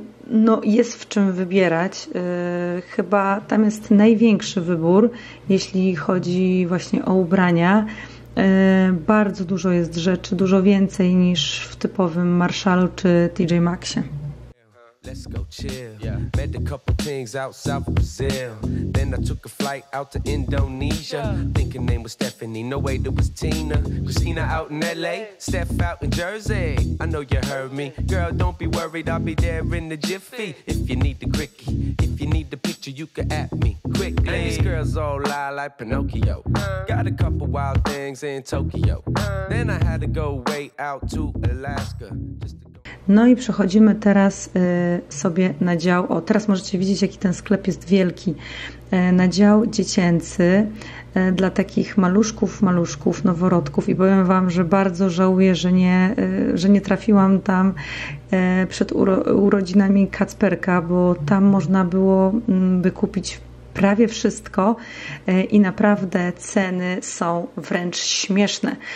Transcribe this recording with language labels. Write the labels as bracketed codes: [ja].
[pl] No jest w czym wybierać. Chyba tam jest największy wybór, jeśli chodzi właśnie o ubrania. Bardzo dużo jest rzeczy, dużo więcej niż w typowym Marshallu czy TJ Maxxie. [en] Let's go chill. Yeah. Met a couple things out south of Brazil. Then I took a flight out to Indonesia. Yeah. Thinking name was Stephanie. No way that was Tina. Christina out in LA. Steph out in Jersey. I know you heard me. Girl, don't be worried. I'll be there in the jiffy. If you need the quickie. If you need the picture, you can at me quickly. And these girls all lie like Pinocchio. Got a couple wild things in Tokyo. Then I had to go way out to Alaska. Just to. [pl] No i przechodzimy teraz sobie na dział, o teraz możecie widzieć jaki ten sklep jest wielki, na dział dziecięcy dla takich maluszków, noworodków i powiem Wam, że bardzo żałuję, że nie trafiłam tam przed urodzinami Kacperka, bo tam można było by kupić prawie wszystko i naprawdę ceny są wręcz śmieszne.